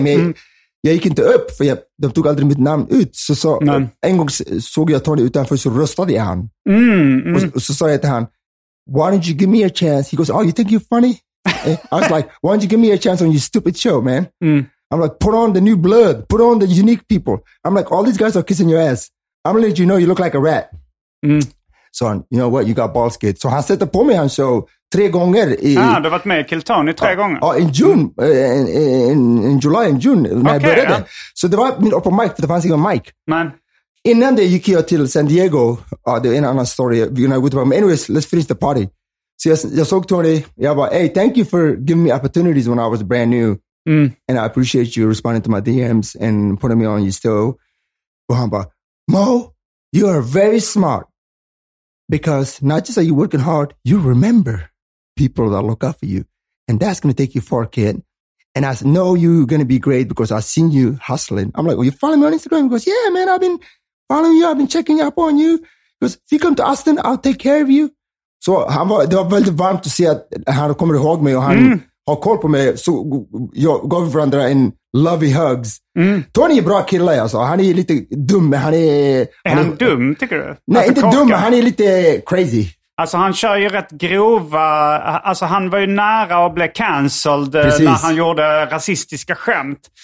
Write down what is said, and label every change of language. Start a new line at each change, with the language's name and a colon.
Swedish: Men jag gick inte upp, för de tog aldrig mitt namn ut. Så en gång såg jag Tony utanför, så röstade jag han. Och så sa jag till han,
English: why don't you give me a chance? He goes, oh, you think you're funny? I was like, why don't you give me a chance on your stupid show, man? Mm. I'm like, put on the new blood. Put on the unique people. I'm like, all these guys are kissing your ass. I'm going to let you know you look like a rat. Mm. So, you know what? You got balls, kid.
Swedish: So, han sätter på mig han show tre gånger. Ja, du har varit med i Kill Tony tre gånger.
English: Ja, in June. In July,
Swedish: när jag började.
English: Yeah.
Swedish: Så det var min open mic, för det fanns ingen mic. Men... innan det gick jag till San Diego. Det är en annan story.
English: Anyways, let's finish the party.
Swedish: Så jag såg Tony. Jag bara,
English: hey, thank you for giving me opportunities when I was brand new. Mm. And I appreciate you responding to my DMs and putting me on your show.
Swedish: Och han bara,
English: Mo, you are very smart. Because not just are you working hard, you remember people that look out for you. And that's going to take you far, kid. And I know you're going to be great because I've seen you hustling. I'm like, well, you follow me on Instagram? He goes, yeah, man, I've been... following you, I've been checking up on you. Because if you come to Austin, I'll take care of you.
Swedish: So han var, det var väldigt varmt att se att han kommer ihåg mig och han har koll på mig. Så jag gav varandra en
English: lovey hugs. Mm.
Swedish: Tony är bra kille, alltså. Han är lite dum. Han är dum, tycker du? Nej, alltså, inte korka. Dum, han är lite crazy. Alltså han kör ju rätt grova... alltså han var ju nära att bli cancelled när han gjorde rasistiska skämt.